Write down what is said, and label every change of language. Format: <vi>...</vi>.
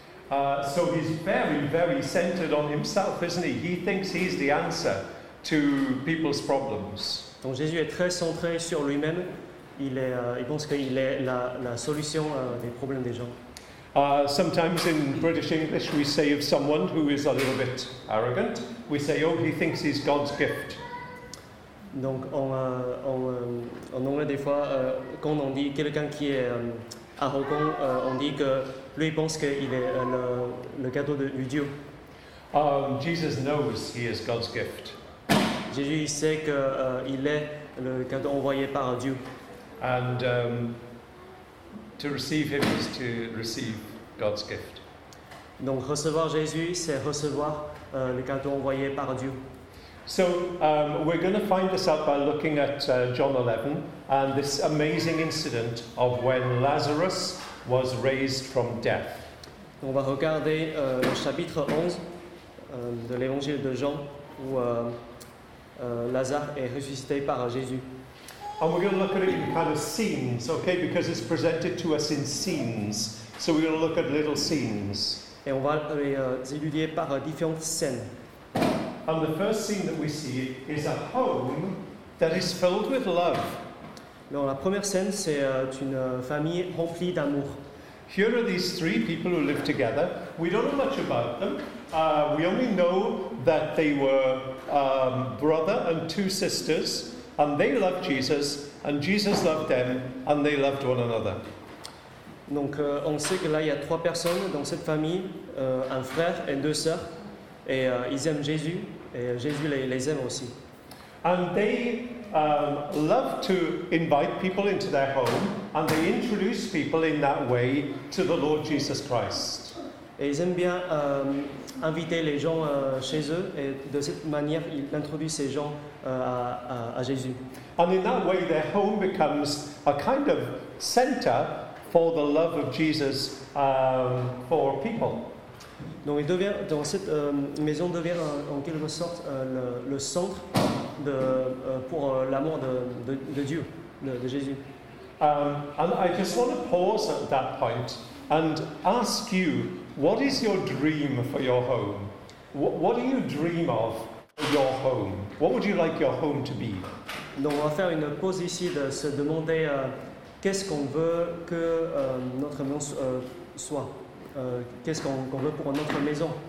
<en>So he's very, very centered on himself, isn't he? He thinks he's the answer to people's problems.</en> <fr>Donc Jésus est très centré sur lui-même. Il pense qu'il est la solution des problèmes des gens.</fr> <en>Sometimes in British English, we say of someone who is a little bit arrogant, we say, "Oh, he thinks he's God's gift."</en> <fr>Donc en anglais, des fois, quand on dit quelqu'un qui est arrogant, on dit que lui pense qu'il est le cadeau de Dieu.</fr> <en>Jesus knows he is God's gift.</en> <fr>Jésus sait que il est le cadeau envoyé par Dieu.</fr> <en>And to receive him is to receive God's gift.</en> <fr>Donc recevoir Jésus, c'est recevoir le cadeau envoyé par Dieu.</fr> <en>So we're going to find this out by looking at John 11 and this amazing incident of when Lazarus was raised from death.</en> <fr>On va regarder le chapitre 11 de l'évangile de Jean où Lazare est ressuscité par Jésus.</fr> <en>And we're going to look at it in kind of scenes, okay, because it's presented to us in scenes. So we're going to look at little scenes.</en> <fr>Et on va les étudier par différentes scènes.</fr> <en>And the first scene that we see is a home that is filled with love.</en> <fr>Alors, la première scène, c'est une famille remplie d'amour.</fr> <en>Here are these three people who live together. We don't know much about them. We only know that they were brother and two sisters, and they loved Jesus, and Jesus loved them, and they loved one another.</en> <fr>Donc, on sait que là, il y a trois personnes dans cette famille, un frère et deux sœurs, et ils aiment Jésus, et Jésus les aime aussi.</fr> <en>And they love to invite people into their home, and they introduce people in that way to the Lord Jesus Christ.</en> <fr>Et ils aiment bien inviter les gens chez eux, et de cette manière, ils introduisent ces gens à Jésus.</fr> <en>And in that way, their home becomes a kind of center for the love of Jesus for people.</en> <fr>Donc, il devient, dans cette maison devient en quelque sorte le centre de, pour l'amour de Dieu, de Jésus.</fr> <en>And I just want to pause at that point and ask you, what is your dream for your home? What do you dream of for your home? What would you like your home to be?</en> <fr>Donc, on va faire une pause ici de se demander qu'est-ce qu'on veut que notre maison soit. Qu'est-ce qu'on veut pour notre maison?</fr>